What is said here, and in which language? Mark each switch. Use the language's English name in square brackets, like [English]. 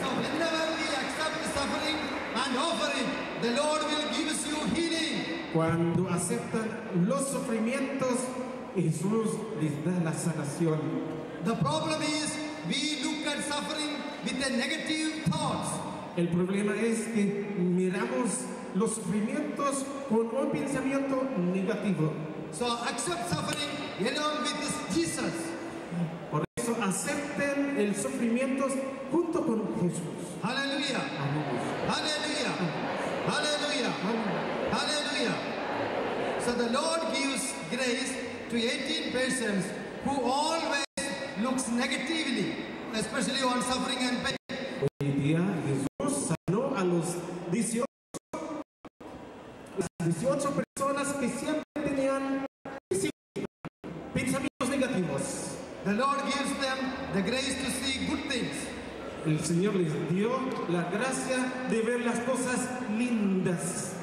[English] So whenever we accept the suffering and offering, the Lord will give you healing. [Spanish] Cuando aceptan los sufrimientos, Jesús les da la sanación. [English] The problem is we look at suffering with the negative thoughts. [Spanish] El problema es que miramos los sufrimientos con un pensamiento negativo. [English] So accept suffering along with this Jesus. [Spanish] Por eso acepten el sufrimiento junto con Jesús. [English] Hallelujah. Hallelujah. Hallelujah. Hallelujah. Hallelujah. So the Lord gives grace to 18 persons who always looks negatively, especially on suffering and pain. [Spanish] Hoy día Jesús sanó a los 18 personas que siempre tenían pensamientos negativos. [English] The Lord gives them the grace to see good things. [Spanish] El Señor les dio la gracia de ver las cosas lindas.